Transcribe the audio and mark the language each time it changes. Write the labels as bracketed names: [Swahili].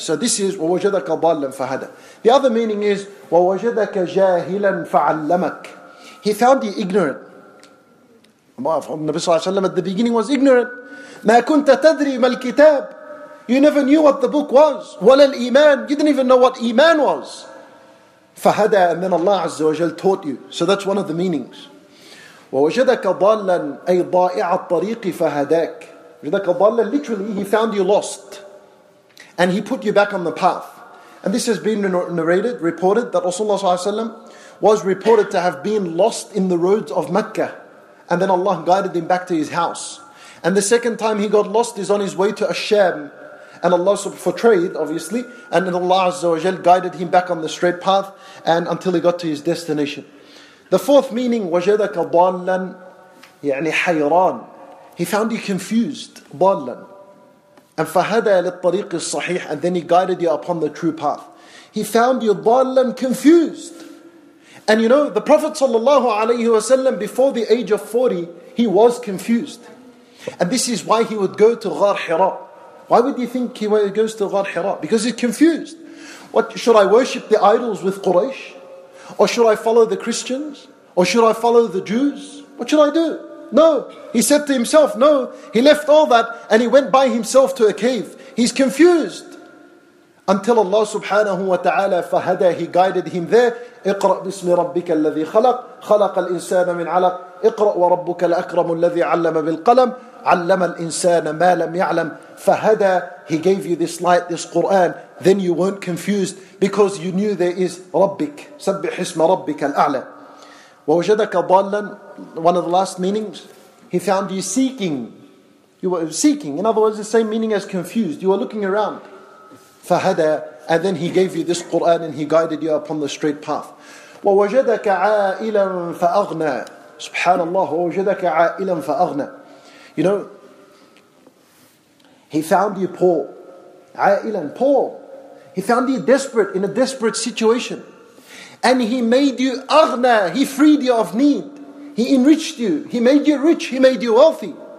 [English] So this is, [Arabic] وَوَجَدَكَ ضَالًا فَهَدَى. [English] The other meaning is, [Arabic] وَوَجَدَكَ جَاهِلًا فَعَلَّمَكَ. [English] He found you ignorant. Allah from Nabi Sallallahu Alaihi Wasallam at the beginning was ignorant. [Arabic] مَا كُنْتَ تَدْرِي مَا الْكِتَابِ. [English] You never knew what the book was. [Arabic] وَلَا الْإِيمَانِ. [English] You didn't even know what Iman was. [Arabic] فَهَدَى. [English] And then Allah Azza wa Jal taught you. So that's one of the meanings. [Arabic] وَوَجَدَكَ ضَالًا أَيْ ضَائِعَ الطَّرِيقِ فَهَدَاكَ. وَجَدَكَ ضَالًا, [English] literally he found you lost and he put you back on the path. And this has been narrated, reported, that Rasulullah sallallahu alaihi wasallam was reported to have been lost in the roads of Mecca and then Allah guided him back to his house. And the second time he got lost is on his way to Ash-Sham, and Allah for trade obviously, and then Allah azza wa jal guided him back on the straight path and until he got to his destination. The fourth meaning, [Arabic] وَجَدَكَ ضَالًا يعني حَيْرًا. [English] He found you confused, ضَالًا. [Arabic] And فَهَدَى لِلطَّرِيقِ الصَّحِيحِ. [English] And then he guided you upon the true path. He found you ضَالًا, confused. And you know, the Prophet ﷺ, before the age of 40, he was confused. And this is why he would go to غَار حِرَى. Why would you think he goes to غَار حِرَى? Because he's confused. What, should I worship the idols with Quraysh? Or should I follow the Christians? Or should I follow the Jews? What should I do? No. He said to himself, no. He left all that and he went by himself to a cave. He's confused. Until Allah subhanahu wa ta'ala fahada, he guided him there. [Arabic] اقرأ بسم ربك الذي خلق خلق الإنسان من علق اقرأ وربك الأكرم الذي علم بالقلم علم الإنسان ما لم يعلم فهذا. [English] He gave you this light, this Quran, then you weren't confused because you knew there is [Arabic] ربك سبح اسم ربك الأعلى. ووجدك ضالا, [English] one of the last meanings, he found you seeking. You were seeking, in other words, the same meaning as confused. You were looking around. [Arabic] فهذا. [English] And then he gave you this Quran and he guided you upon the straight path. [Arabic] وَوَجَدَكَ عَائِلًا فَأَغْنَى. Subhanallah, وَوَجَدَكَ عَائِلًا فَأَغْنَى. [English] You know, he found you poor. عَائِلًا, poor. He found you desperate, in a desperate situation. And he made you أَغْنَى. He freed you of need. He enriched you. He made you rich. He made you wealthy.